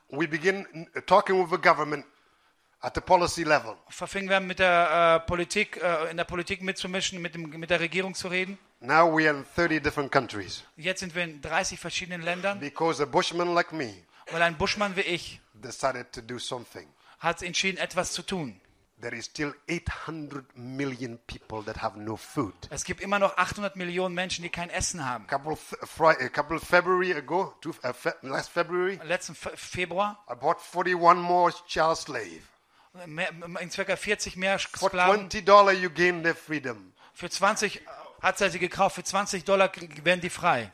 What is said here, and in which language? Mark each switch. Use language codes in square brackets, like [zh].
[en] we begin talking with the government at the policy level. [de] Verfingen wir mit der Politik, in der Politik mitzumischen, mit der Regierung zu reden. [en] Now we are in 30 different countries. [de] Jetzt sind wir in 30 verschiedenen Ländern. [en] Because a bushman like me, [de] weil ein Buschmann wie ich, [en] decided to do something. [de] Hat entschieden, etwas zu tun. [en] There is still 800 million people that have no food. [de] Es gibt immer noch 800 Millionen Menschen, die kein Essen haben. [en] A couple February ago, last February. [de] Letzten Februar. [en] I bought 41 more child slaves. [de] In circa 40 mehr [en] Sklaven. For $20, you gain their freedom. [de] Für 20 hat er sie gekauft. Für $20 werden die frei.